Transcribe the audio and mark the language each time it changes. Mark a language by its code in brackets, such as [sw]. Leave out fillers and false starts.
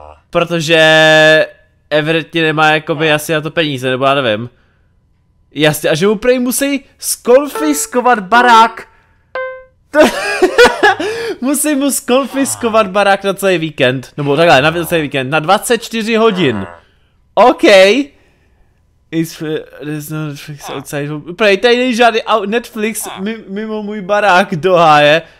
[cs] Protože Everett nemá jakoby asi na to peníze, nebo já nevím. Jasně, a že mu prej musí skonfiskovat barák. Musím mu skonfiskovat barák na celý víkend, nebo takhle, na celý víkend, na 24 hodin. OK. [en] There's no Netflix outside. [cs] Prej, tady není žádný Netflix mimo můj barák do háje.